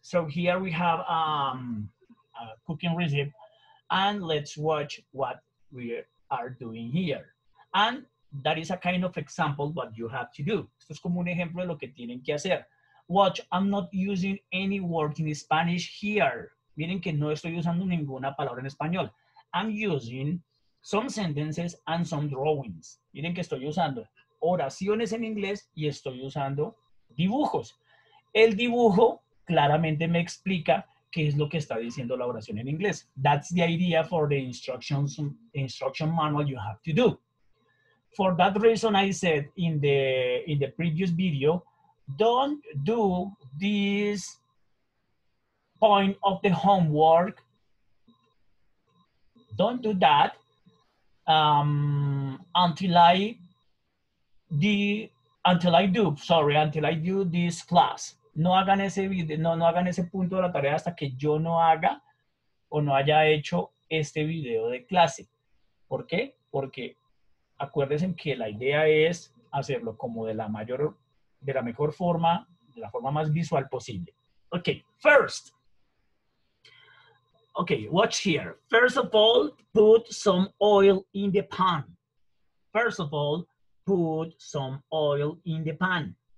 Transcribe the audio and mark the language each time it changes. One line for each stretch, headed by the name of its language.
English: So here we have a cooking recipe and let's watch what we are doing here. And that is a kind of example what you have to do.
Spanish: Esto es como un ejemplo de lo que tienen que hacer.
English: Watch, I'm not using any word in Spanish here.
Spanish: Miren que no estoy usando ninguna palabra en español.
English: I'm using some sentences and some drawings.
Spanish: Miren que estoy usando oraciones en inglés y estoy usando dibujos. El dibujo claramente me explica qué es lo que está diciendo la oración en inglés.
English: That's the idea for the instructions, instruction manual you have to do. For that reason, I said in the previous video, don't do this point of the homework. Don't do that until I do this class.
Spanish: No hagan ese video, no hagan ese punto de la tarea hasta que yo no haga o no haya hecho este video de clase. ¿Por qué? Porque acuérdense que la idea es hacerlo como de la mejor forma, de la forma más visual posible.
English: Okay, first. Okay, watch here. First of all, put some oil in the pan. First of all, put some oil in the pan.